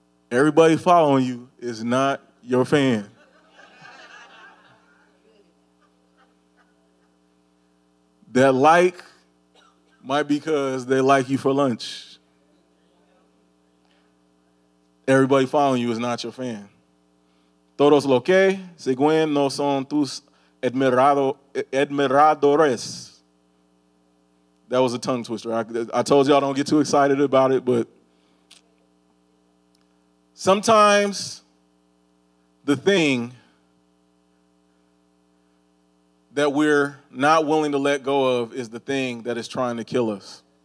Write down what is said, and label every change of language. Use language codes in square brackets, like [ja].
[en] Everybody following you is not your fan. That like might be because they like you for lunch. Everybody following you is not your fan. [es] Todos los que siguen no son tus admiradores. [en] That was a tongue twister. I told y'all don't get too excited about it, but sometimes the thing that we're not willing to let go of is the thing that is trying to kill us.